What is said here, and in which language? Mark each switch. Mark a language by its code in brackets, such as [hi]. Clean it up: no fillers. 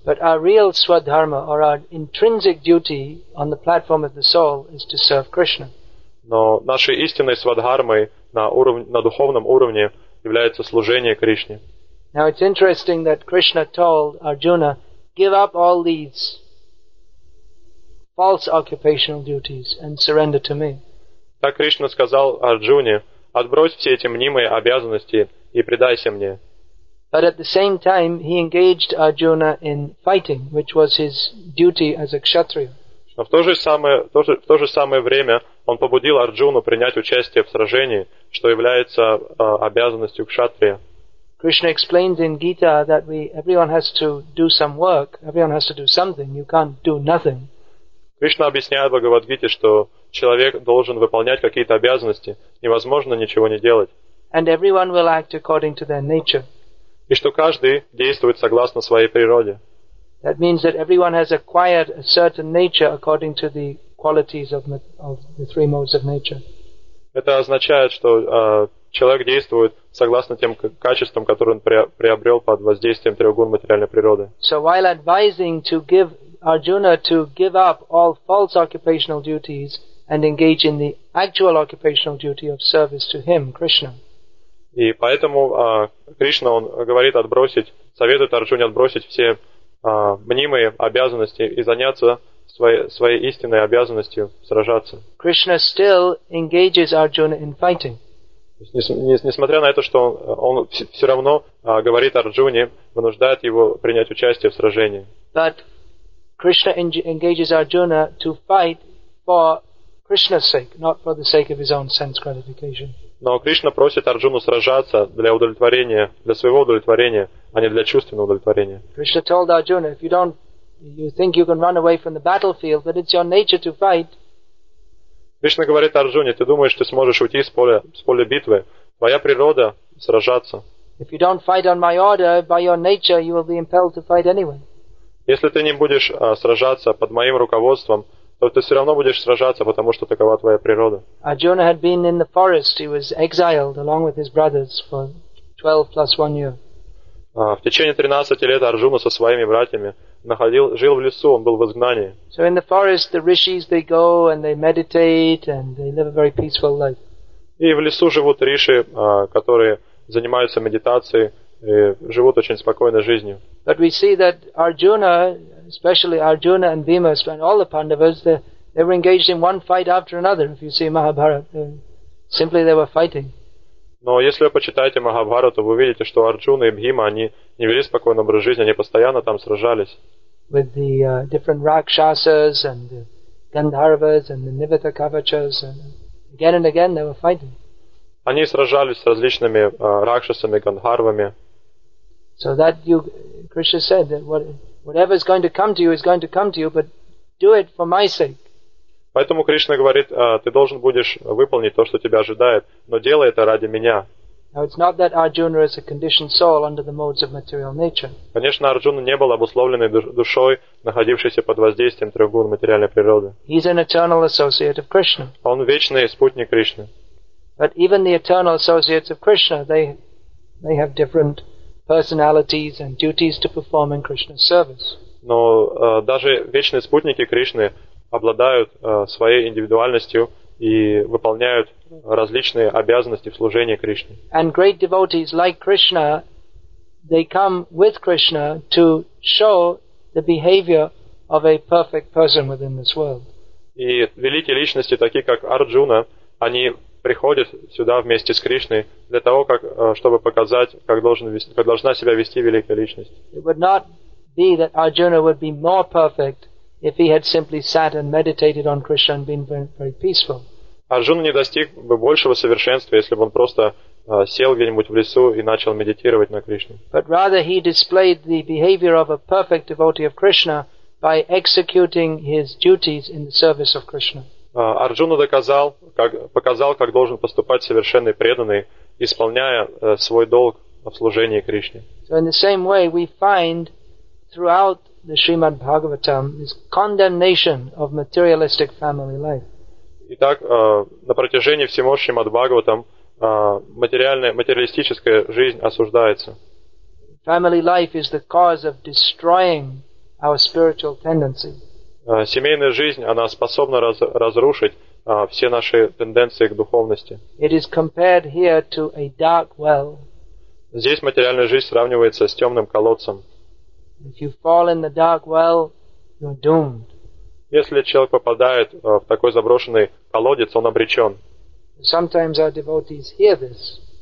[en] But our real swadharma, or our intrinsic duty on the platform of the soul, is to serve Krishna. [ru] Но нашей истинной свадхармой на духовном уровне является служение Кришне. [en] Now it's interesting that Krishna told Arjuna, give up all these false occupational duties and surrender to me. [ru] Так Кришна сказал Арджуне, отбрось все эти мнимые обязанности и предайся мне. [en] But at the same time he engaged Arjuna in fighting, which was his duty as a kshatriya. [ru] Но в то же самое время он побудил Арджуну принять участие в сражении, что является обязанностью кшатрия. [en] Krishna explains in Gita that everyone has to do some work, everyone has to do something, you can't do nothing. [ru] Кришна объясняет в Бхагавад-гите, что человек должен выполнять какие-то обязанности, невозможно ничего не делать. [en] And everyone will act according to their nature. [ru] И что каждый действует согласно своей природе. [en] That means that everyone has acquired a certain nature according to the qualities of the three modes of nature. [ru] Это означает, что человек действует согласно тем качествам, которые он приобрел под воздействием трех гун материальной природы. [en] So while advising to give Arjuna to give up all false occupational duties, and engage in the actual occupational duty of service to Him, Krishna. [ru] И поэтому Кришна, он говорит отбросить, советует Арджуне отбросить все мнимые обязанности и заняться своей истинной обязанностью сражаться. [en] Krishna still engages Arjuna in fighting. [ru] Несмотря на это, что он все равно говорит Арджуне, вынуждает его принять участие в сражении. [en] But Krishna engages Arjuna to fight for Krishna's sake, not for the sake of his own sense gratification. [ru] Но Кришна просит Арджуну сражаться для удовлетворения, для своего удовлетворения, а не для чувственного удовлетворения. [en] Krishna told Arjuna, if you don't, you think you can run away from the battlefield, but it's your nature to fight. [ru] Кришна говорит Арджуне, ты думаешь, ты сможешь уйти с поля битвы? Твоя природа сражаться. [en] If you don't fight on my order, by your nature, you will be impelled to fight anyway. [ru] Если ты не будешь сражаться под моим руководством, то ты все равно будешь сражаться, потому что такова твоя природа. [en] Arjuna had been in the forest. He was exiled along with his brothers for 12 plus 1 year. [ru] В течение 13 лет Арджуна со своими братьями жил в лесу, он был в изгнании. [en] So in the forest, the rishis, they go and they meditate and they live a very peaceful life. [ru] И в лесу живут риши, которые занимаются медитацией и живут очень спокойной жизнью. [en] But we see that Arjuna, especially Arjuna and Bhima, and all the Pandavas, they were engaged in one fight after another. If you see Mahabharata, simply they were fighting. [ru] Но если вы почитаете Махабхарату, вы увидите, что Арджуна и Бхима, они не вели спокойный образ жизни, они постоянно там сражались. [en] With the different Rakshasas and the Gandharvas and the Nivita Kavachas, again and again they were fighting. [ru] Они сражались с различными Ракшасами, Гандхарвами. [en] So that you, Krishna said, that whatever is going to come to you is going to come to you, but do it for my sake. [ru] Поэтому Кришна говорит, ты должен будешь выполнить то, что тебя ожидает, но делай это ради меня. [en] Now, it's not that Arjuna is a conditioned soul under the modes of material nature. [ru] Конечно, Арджуна не был обусловленной душой, находившейся под воздействием трех гун материальной природы. [en] He's an eternal associate of Krishna. [ru] Он вечный спутник Кришны. [en] But even the eternal associates of Krishna, they have different personalities and duties to perform in Krishna's service. [ru] Но даже вечные спутники Кришны обладают своей индивидуальностью и выполняют различные обязанности в служении Кришне. [en] And great devotees like Krishna, they come with Krishna to show the behavior of a perfect person within this world. [ru] И великие личности, такие как Арджуна, они приходят сюда вместе с Кришной для того, чтобы показать, как должна себя вести великая личность. [en] It would not be that Arjuna would be more perfect if he had simply sat and meditated on Krishna and been very, very peaceful. [ru] Арджуна не достиг бы большего совершенства, если бы он просто сел где-нибудь в лесу и начал медитировать на Кришне. [en] But rather he displayed the behavior of a perfect devotee of Krishna by executing his duties in the service of Krishna. [ru] Арджуна показал, как должен поступать совершенный преданный, исполняя свой долг в служении Кришне. [en] So in the same way we find throughout the Srimad Bhagavatam is condemnation of materialistic family life. [ru] Итак, на протяжении всего Шримад Бхагаватам материалистическая жизнь осуждается. [en] Family life is the cause of destroying our spiritual tendency. [ru] Семейная жизнь, она способна разрушить все наши тенденции к духовности. [en] It is compared here to a dark well. [ru] Здесь материальная жизнь сравнивается с темным колодцем. [en] If you fall in the dark well, you're doomed. [ru] Если человек попадает в такой заброшенный колодец, он обречен. [en] Sometimes our devotees hear this.